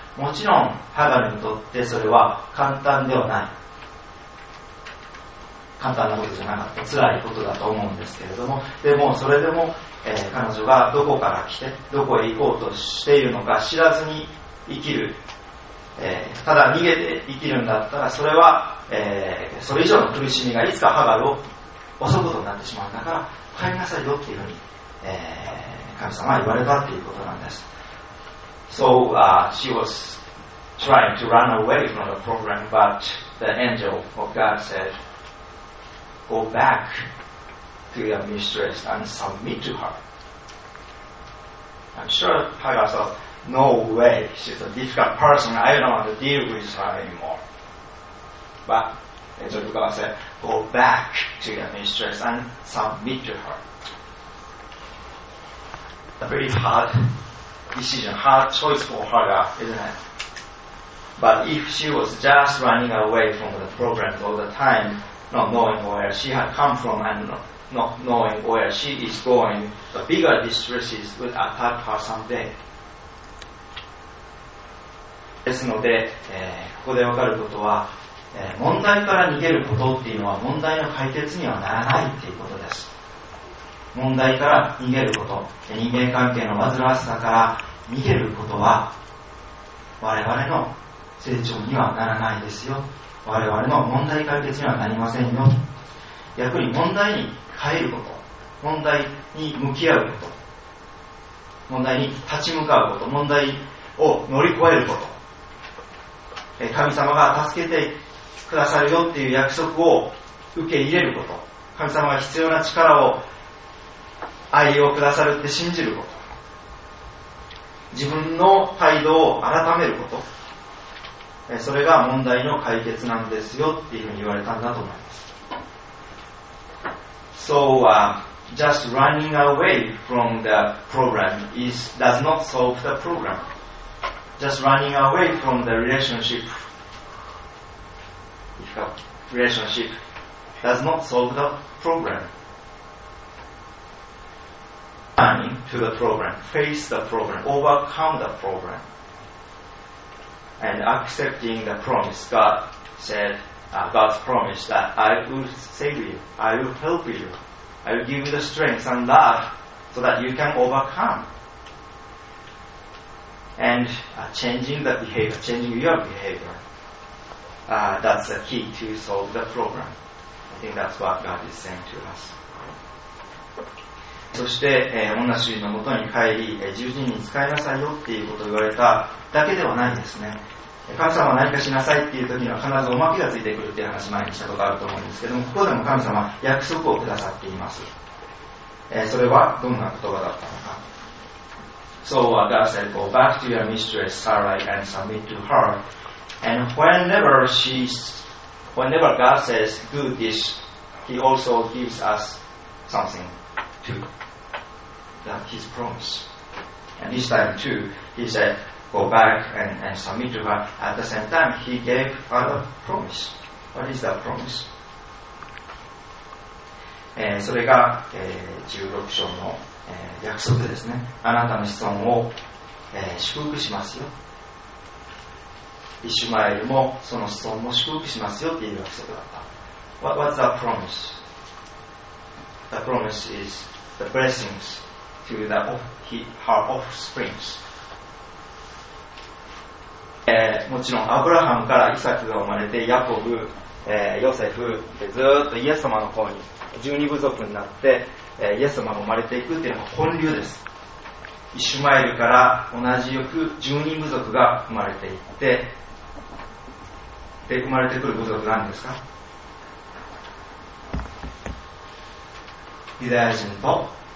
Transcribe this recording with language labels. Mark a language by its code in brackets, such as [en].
[ja] もちろんハガルにとってそれは簡単ではない、簡単なことじゃなかった、辛いことだと思うんですけれども、でもそれでも、彼女がどこから来てどこへ行こうとしているのか知らずに生きる、ただ逃げて生きるんだったらそれは、それ以上の苦しみがいつかハガルを襲うことになってしまったから帰りなさいよっていうふうに、神様は言われたっていうことなんです。 [en] So, she was trying to run away from the problem, but the angel of God said, go back to your mistress and submit to her. I'm sure Hagar thought, no way, she's a difficult person, I don't want to deal with her anymore. But the angel of God said, go back to your mistress and submit to her. A very hard decision, hard choice for Hagar, isn't it? But if she was just running away from the problem all the time, not knowing where she had come from and not knowing where she is going, the bigger distresses would attack her someday. [ja] ですので、ここで分かることは、問題から逃げることっていうのは問題の解決にはならないっていうことです。問題から逃げること、人間関係の煩わしさから逃げることは我々の成長にはならないですよ、我々の問題解決にはなりませんよ。逆に問題に変えること、問題に向き合うこと、問題に立ち向かうこと、問題を乗り越えること、神様が助けてくださるよっていう約束を受け入れること、神様が必要な力を愛をくださるって信じること、自分の態度を改めること、それが問題の解決なんですよっていうふうに言われたんだと思います。 [en] So、just running away from the problem does not solve the problem. Just running away from the relationship, relationship does not solve the problem. Running to the problem, face the problem, overcome the problem. And accepting the promise, God said, God's promise that I will save you, I will help you, I will give you the strength and love so that you can overcome. And changing the behavior, changing your behavior, that's the key to solve the problem. I think that's what God is saying to us. [ja] そして、女主人のもとに帰り、従順に使いなさいよっていうことを言われただけではないですね。神様は何かしなさいっていう時には必ずおまけがついてくるっていう話前にしたことがあると思うんですけども、ここでも神様は約束をくださっています。それはどんな言葉だったのか。 [en] So God said, go back to your mistress Sarai and submit to her. And whenever God says do this, he also gives us something too, that his promise. And this time too, he saidGo back and submit to her. At the same time, he gave her a promise. What is that promise? [ja] それが、16章の、約束ですね。あなたの子孫を、祝福しますよ。イシュマエルもその子孫も祝福しますよっていう約束だった。 [en] What's that promise? The promise is the blessings to the her offsprings. [ja] もちろんアブラハムからイサクが生まれてヤコブ、ヨセフでずっとイエス様の方に十二部族になって、イエス様が生まれていくというのが本流です。イシュマエルから同じよく十二部族が生まれていって、で生まれてくる部族なんですか、ユダヤ人と